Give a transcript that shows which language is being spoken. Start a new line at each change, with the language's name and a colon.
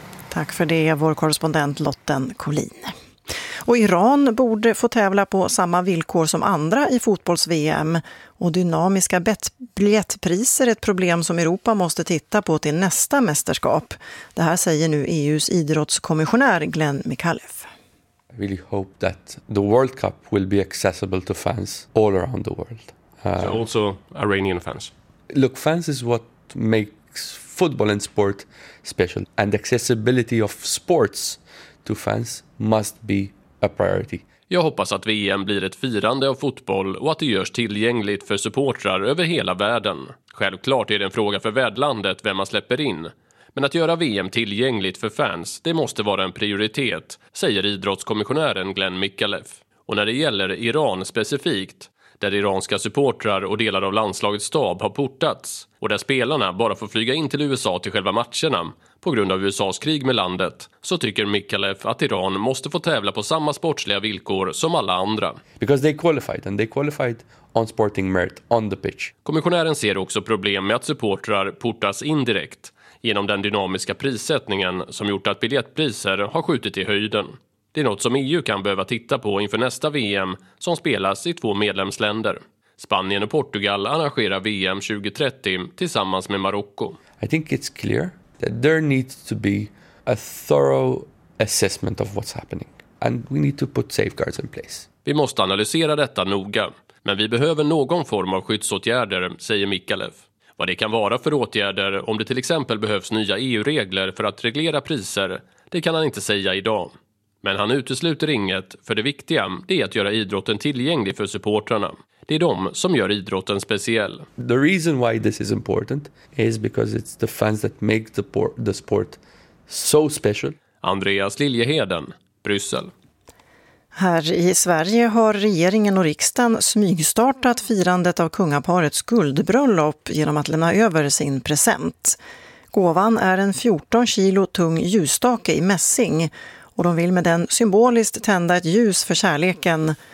Swedish: Tack för det, vår korrespondent Lotten Collin. Och Iran borde få tävla på samma villkor som andra i fotbolls-VM. Och dynamiska biljettpriser är ett problem som Europa måste titta på till nästa mästerskap. Det här säger nu EU:s idrottskommissionär Glenn Michalev.
English: I really hope that the World Cup will be accessible to fans all around the world. So also Iranian fans. Look, fans is what makes football and sport special, and accessibility of sports to fans must be a priority.
Swedish: Jag hoppas att VM blir ett firande av fotboll och att det görs tillgängligt för supportrar över hela världen. Självklart är det en fråga för värdlandet vem man släpper in. Men att göra VM tillgängligt för fans, det måste vara en prioritet, säger idrottskommissionären Glenn Michalev. Och när det gäller Iran specifikt, där iranska supportrar och delar av landslagets stab har portats och där spelarna bara får flyga in till USA till själva matcherna på grund av USAs krig med landet, så tycker Mikalev att Iran måste få tävla på samma sportsliga villkor som alla andra.
English: Because they qualified and they qualified on sporting merit on the pitch.
Swedish: Kommissionären ser också problem med att supportrar portas indirekt genom den dynamiska prissättningen som gjort att biljettpriser har skjutit i höjden. Det är något som EU kan behöva titta på inför nästa VM som spelas i två medlemsländer. Spanien och Portugal arrangerar VM 2030 tillsammans med Marocko.
English: I think it's clear that there needs to be a thorough assessment of what's happening and we need to put safeguards in place.
Swedish: Vi måste analysera detta noga, men vi behöver någon form av skyddsåtgärder, säger Mikalev. Vad det kan vara för åtgärder, om det till exempel behövs nya EU-regler för att reglera priser, det kan han inte säga idag. Men han utesluter inget, för det viktiga är att göra idrotten tillgänglig för supportrarna. Det är de som gör idrotten speciell.
English: The reason why this is important is because it's the fans that make the sport so special.
Swedish: Andreas Liljeheden, Bryssel. Här i Sverige har regeringen och riksdagen smygstartat firandet av kungaparets guldbröllop genom att lämna över sin present. Gåvan är en 14 kilo tung ljusstake i mässing och de vill med den symboliskt tända ett ljus för kärleken.